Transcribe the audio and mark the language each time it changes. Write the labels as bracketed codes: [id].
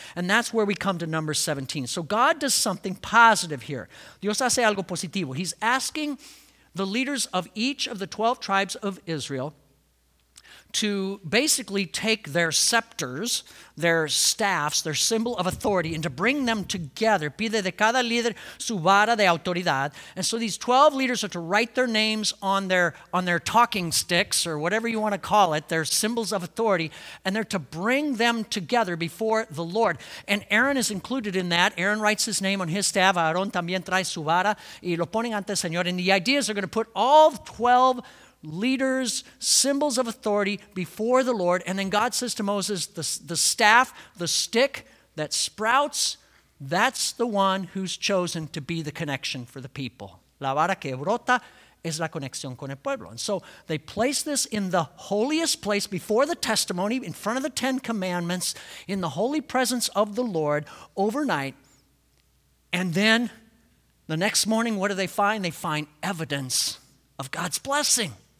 [en] And that's where we come to number 17. So God does something positive here. [es] Dios hace algo positivo. [en] He's asking the leaders of each of the 12 tribes of Israel to basically take their scepters, their staffs, their symbol of authority, and to bring them together. [es] Pide de cada líder su vara de autoridad. [en] And so these 12 leaders are to write their names on their talking sticks, or whatever you want to call it, their symbols of authority, and they're to bring them together before the Lord. And Aaron is included in that. Aaron writes his name on his staff. [es] Aaron también trae su vara y lo ponen ante el Señor. [en] And the idea is they're going to put all 12 leaders, symbols of authority before the Lord. And then God says to Moses, the staff, the stick that sprouts, that's the one who's chosen to be the connection for the people. [es] La vara que brota es la conexión con el pueblo. [en] And so they place this in the holiest place before the testimony, in front of the Ten Commandments, in the holy presence of the Lord overnight. And then the next morning, what do they find? They find evidence of God's blessing.